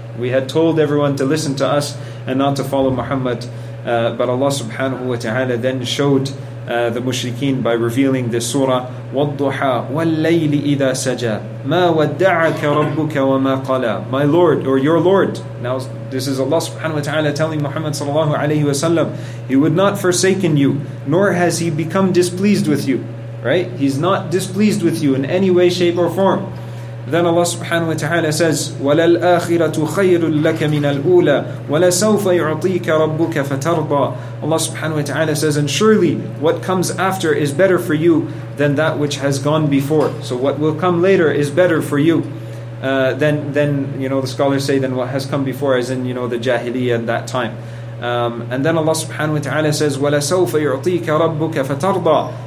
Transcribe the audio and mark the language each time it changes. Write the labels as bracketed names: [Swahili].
[English] We had told everyone to listen to us and not to follow Muhammad, but Allah subhanahu wa ta'ala then showed the mushrikeen by revealing this surah, [Arabic] وَالضُّحَى وَاللَّيْلِ إِذَا سَجَى مَا وَدَّعَكَ رَبُّكَ وَمَا قَلَى. [English] My Lord, or your Lord. Now this is Allah subhanahu wa ta'ala telling Muhammad sallallahu alayhi wa sallam, he would not forsaken you, nor has he become displeased with you. Right? He's not displeased with you in any way, shape or form. Then Allah subhanahu wa ta'ala says, [Arabic] وَلَلْآخِرَةُ خَيْرٌ لَكَ مِنَ الْأُولَى وَلَسَوْفَ يُعْطِيكَ رَبُّكَ فَتَرْضَى. [English] Allah subhanahu wa ta'ala says, and surely what comes after is better for you than that which has gone before. So what will come later is better for you than, you know, the scholars say, than what has come before, as in, you know, the jahiliyyah at that time. And then Allah subhanahu wa ta'ala says, [Arabic] وَلَسَوْفَ يُعْطِيكَ رَبُّكَ فَتَرْضَى.